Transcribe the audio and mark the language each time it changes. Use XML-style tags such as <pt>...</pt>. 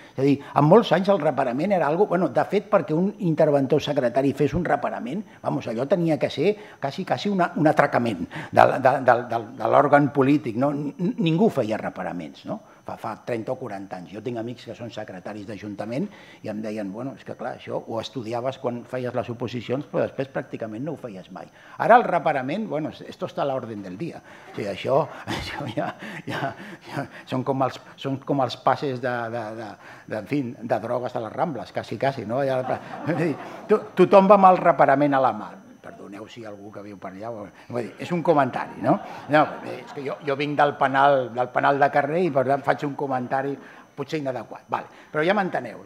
<ca>És a dir, en molts anys el reparament era algo... Bueno, de fet, perquè un interventor secretari fes un reparament, vamos, allò tenia que ser quasi un atracament de l'òrgan polític. No? Ningú feia reparaments, no? Fa 30 o 40 anys. Jo tinc amics que són secretaris d'Ajuntament i em deien, bueno, és que clar, això ho estudiaves quan feies les oposicions, però després pràcticament no ho feies mai. Ara el reparament,</ca> <es>bueno, esto está a la orden del día.</es> <ca>O sigui, això ja són com els passes de drogues a les Rambles, quasi, no? Ja, tothom va amb el reparament a la mà. Perdoneu si hi ha algú que viu per allà. És un comentari, no? No, és que jo vinc del penal de carrer i per tant faig un comentari potser inadequat. Vale. Però ja m'enteneu.</ca>